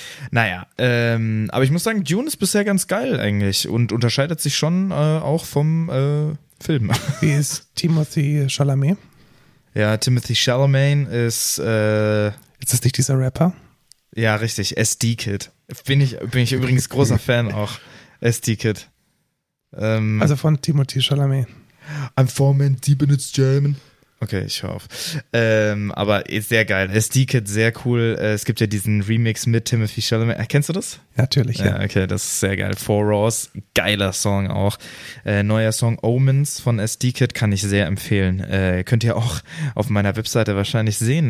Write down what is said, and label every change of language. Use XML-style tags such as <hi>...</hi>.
<de>Naja, aber ich muss sagen, Dune ist bisher ganz geil eigentlich und unterscheidet sich schon auch vom Film. Wie ist Timothy Chalamet? Ja, Timothy Chalamet ist... Ist das nicht dieser Rapper? Ja, richtig. SD-Kid. Bin ich übrigens großer Fan auch. SD-Kid. Also von Timothy Chalamet.</de> <en>I'm 4 minutes deep and it's German.</en> <de>Okay, ich hör auf. Aber sehr geil. SD-Kid, sehr cool. Es gibt ja diesen Remix mit Timothy Chalamet. Kennst du das? Natürlich, ja. Ja, okay, das ist sehr geil. Four Raws, geiler Song auch. Neuer Song Omens von SD-Kid kann ich sehr empfehlen. Könnt ihr auch auf meiner Webseite wahrscheinlich sehen.</de>